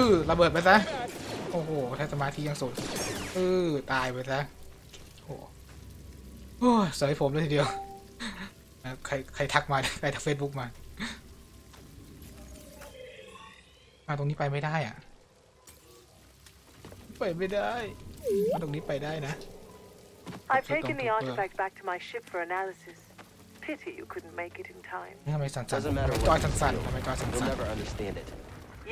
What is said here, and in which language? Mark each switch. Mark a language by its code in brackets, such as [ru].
[th] ระเบิดไปซะโอ้โหแทสมาธิยังสุดตายไปซะโอ้โหสายผมเลยทีเดียวใครทักมาใครทักเฟซบุ๊กมามาตรงนี้ไปไม่ได้อ่ะไปไม่ได้มาตรงนี้ไปได้นะ [en] I've taken the artifact back to my ship for analysis. Pity you couldn't make it in time. [th] ทำไมสั่นๆจอยสั่นๆทำไมจอยสั่นๆ